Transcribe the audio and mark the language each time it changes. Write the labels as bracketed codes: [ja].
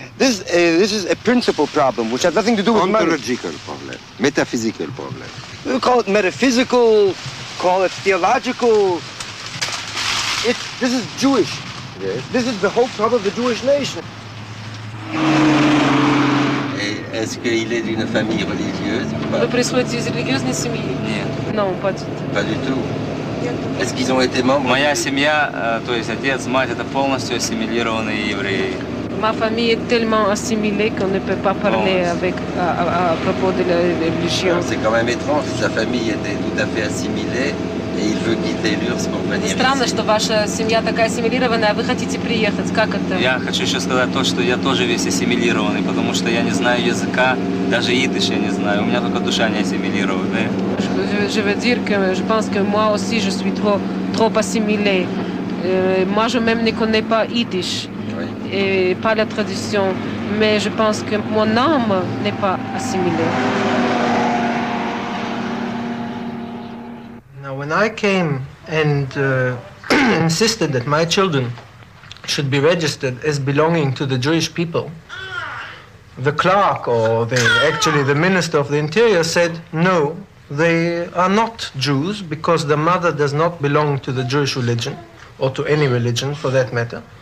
[en] this is a principal problem which has nothing to do with money. Ontological problem, metaphysical problem. We call it metaphysical, call it theological. This is Jewish. Yes. This is the whole problem of the Jewish nation. [fr] Est-ce qu'il est d'une famille religieuse ou pas? Le prêtre est religieux, ni similaire. Non, pas du tout. Pas du tout. Est-ce qu'ils ont été membres? [ru] Моя семья, то есть отец, мать, это полностью ассимилированные евреи. [fr] Ma famille est tellement assimilée qu'on ne peut pas parler avec à propos de la religion. C'est quand même étrange que sa famille était tout à fait assimilée et il veut quitter l'Urs pour venir. [ru] Странно, что ваша семья такая ассимилированная, а вы хотите приехать. Как это? Я хочу еще сказать то, что я тоже весь ассимилированный, потому что я не знаю языка, даже идиш я не знаю. У меня только душа не ассимилированная. [fr] Je veux dire que je pense que moi aussi je suis trop assimilée. Moi je même ne connais pas idiš. Et pas la tradition, mais je pense que mon âme n'est pas assimilée. [en] Now, when I came and insisted that my children should be registered as belonging to the Jewish people, the clerk, or the minister of the interior, said, no, they are not Jews because the mother does not belong to the Jewish religion, or to any religion for that matter.